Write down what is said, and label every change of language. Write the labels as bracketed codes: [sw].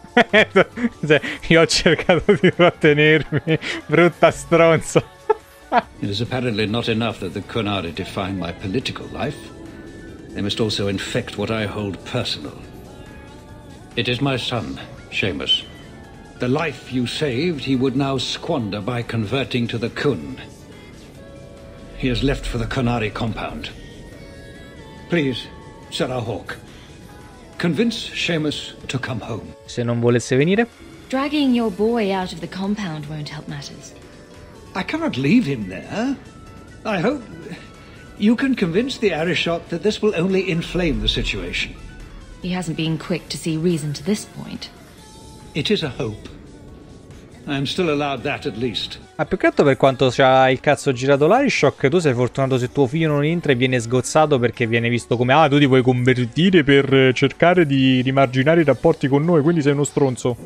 [it] Cioè, io ho cercato di trattenermi, brutta stronza. [en] It is apparently not enough that the Kunari define my political life. They must also infect what I hold personal. It is my son, Seamus. The life you saved, he would now squander by converting to the Kun. He has left for the Kunari compound. Please, Sarah Hawk, convince Seamus to come home. [it] Se non volesse venire? [en] Dragging your boy out of the compound won't help matters. I cannot leave him there. I hope you can convince the Arishok that this will only inflame the situation. He hasn't been quick to see reason to this point. It is a hope. I am still allowed that at least. [it] Ma più che altro per quanto c'ha il cazzo girato l'Arishok, tu sei fortunato se tuo figlio non entra e viene sgozzato perché viene visto come ah, tu ti vuoi convertire per cercare di rimarginare i rapporti con noi, quindi sei uno stronzo.